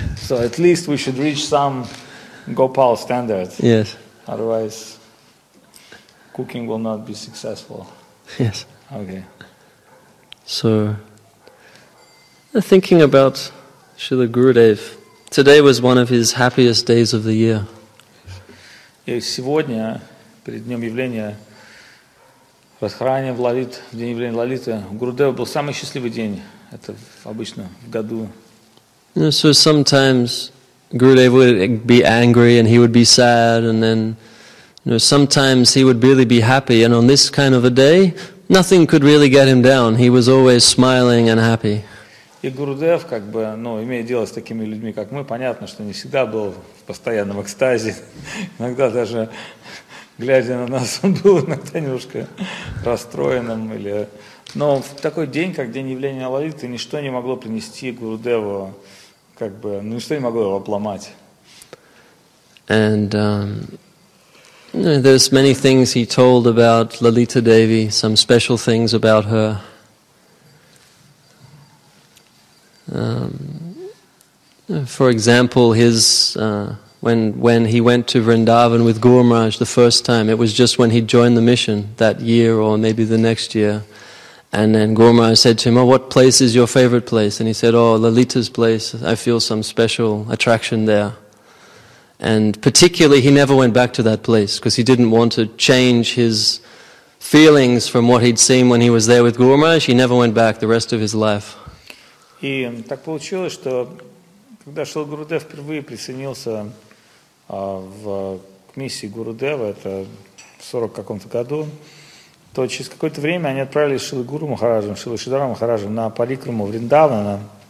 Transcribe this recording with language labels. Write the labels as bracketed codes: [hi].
[en] So at least we should reach some Gopal standard. Yes. Otherwise, cooking will not be successful. Yes. Okay. So, thinking about Srila Gurudev, today was one of his happiest days of the year. [ru] И сегодня, перед днем явления, в храме Лолит, в день явления Лолиты, Гурудев был самый счастливый день. Это обычно в году. [en] So sometimes Gurudev would be angry and he would be sad, and then, you know, sometimes he would really be happy, and on this kind of a day, nothing could really get him down. He was always smiling and happy. [ru] И Гурудев, как бы, ну, имея дело с такими людьми, как мы, понятно, что не всегда был в постоянном экстазе. Иногда даже, глядя на нас, он был иногда немножко расстроенным. Или... Но в такой день, как день явления Лолиты, ничто не могло принести Гурудеву, как бы, ну, ничто не могло его обломать. [en] And, there's many things he told about Lalita Devi, some special things about her. For example, his when he went to Vrindavan with Guru Maharaj the first time, it was just when he joined the mission that year or maybe the next year. And then Guru Maharaj said to him, oh, what place is your favorite place? And he said, oh, Lalita's place, I feel some special attraction there. And particularly, he never went back to that place because he didn't want to change his feelings from what he'd seen when he was there with Guru Maharaj. He never went back the rest of his life. [ru] И так получилось, что когда Шрила Гурудев впервые присоединился к миссии Гурудева, это в 40 каком-то году, то через какое-то время они отправились Шрила Гуру Махараджем, Шрила Шридхара Махараджем на парикраму Вриндавана.